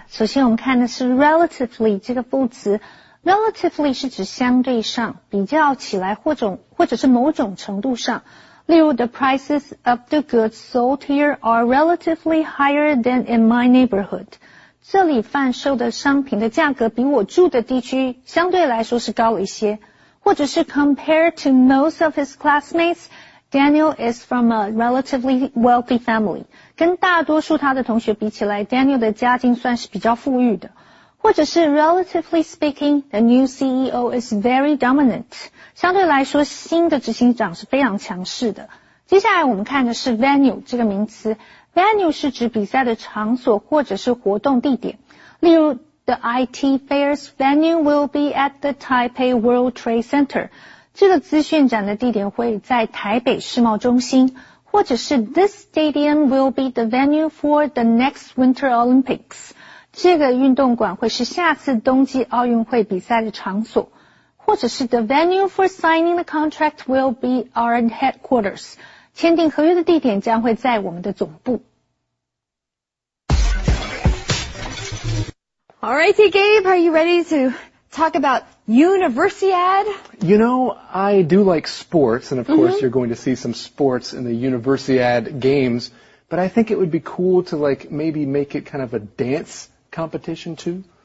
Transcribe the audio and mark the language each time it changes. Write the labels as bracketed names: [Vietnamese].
[Chinese] 首先我们看的是 relatively 这个副词。Relatively 是指相对上，比较起来或者是某种程度上。例如 [English] the prices of the goods sold here are relatively higher than in my neighborhood. [Chinese] 这里贩售的商品的价格比我住的地区相对来说是高一些。或者是 [English] compared to most of his classmates,Daniel is from a relatively wealthy family. [Chinese] 跟大多数他的同学比起来 ,Daniel 的家境算是比较富裕的。或者是 [English] relatively speaking, the new CEO is very dominant. [Chinese] 相对来说新的执行长是非常强势的。接下来我们看的是 venue 这个名词。 venue 是指比赛的场所或者是活动地点。例如 [English] the IT Fair's venue will be at the Taipei World Trade Center. [Chinese] 这个资讯展的地点会在台北世贸中心，或者是 [English] This stadium will be the venue for the next Winter Olympics. [Chinese] 这个运动馆会是下次冬季奥运会比赛的场所，或者是 [English] The venue for signing the contract will be our headquarters. [Chinese] 签订合约的地点将会在我们的总部。 [English] Alrighty, Gabe, are you ready to... Talk about Universiad. You know, I do like sports, and of course you're going to see some sports in the Universiad games, but I think it would be cool to like maybe make it kind of a dance competition too.